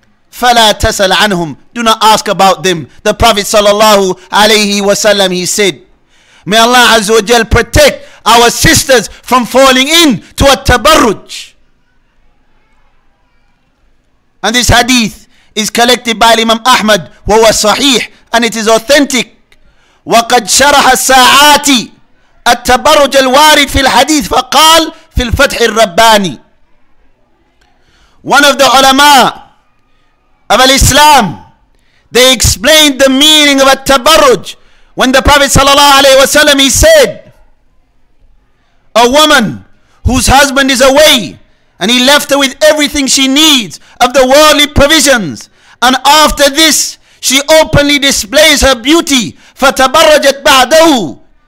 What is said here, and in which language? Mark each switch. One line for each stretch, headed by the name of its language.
Arabic: فَلَا تَسَلْ عَنْهُمْ.
English: Do not ask about them. The Prophet sallallahu alayhi wa sallam, he said, may Allah azza wa jal protect our sisters from falling in to a tabarruj. And this hadith is collected by Imam Ahmad, wa sahih, and it is authentic.
Arabic: وَقَدْ شَرَحَ السَّاعَاتِ التبرج الوارد في الحديث فقال في الفتح الرباني.
English: One of the ulama of Islam, they explained the meaning of a tabarruj when the Prophet sallallahu alaihi wasallam, he said, a woman whose husband is away and he left her with everything she needs of the worldly provisions, and after this she openly displays her beauty,
Arabic: فتبرجت بعده.